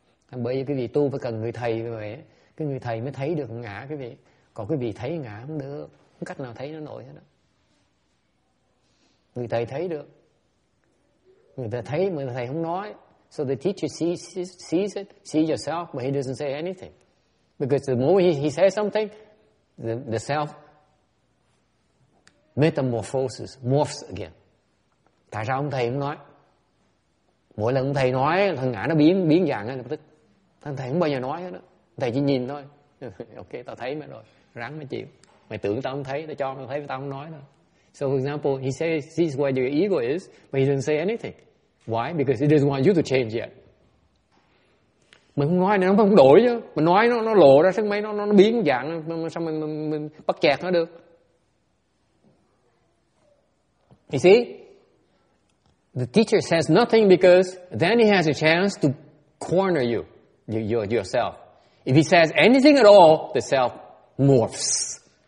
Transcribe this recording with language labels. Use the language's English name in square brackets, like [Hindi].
[Vietnamese] Thành bởi vì quý vị tu phải cần người thầy vậy, cái người thầy mới thấy được ngã quý vị. Còn quý vị thấy ngã không được, không cách nào thấy nó nổi hết đó. Người thầy thấy được, người ta thấy mà người thầy không nói. [English] So the teacher sees it, sees yourself, but he doesn't say anything. Because the more he says something, the self metamorphoses, morphs again. [Vietnamese] Tại sao ông thầy không nói? Mỗi lần ông thầy nói, thằng ngã nó biến dạng ngay lập tức. Thằng thầy không bao giờ nói hết đó. Thầy chỉ nhìn thôi. Ok, tao thấy mày rồi. Ráng mày chịu. Mày tưởng tao không thấy, tao cho mày thấy, tao không nói thôi. [English] So for example, he says, this is where your ego is, but he doesn't say anything. Why? Because he doesn't want you to change yet. [Vietnamese] Mình không nói này nó không đổi chứ. Mình nói nó lộ ra, sao mấy nó biến dạng, sao mình bắt chẹt nó được. [English] You see? The teacher says nothing because then he has a chance to corner you, yourself. If he says anything at all, the self morphs.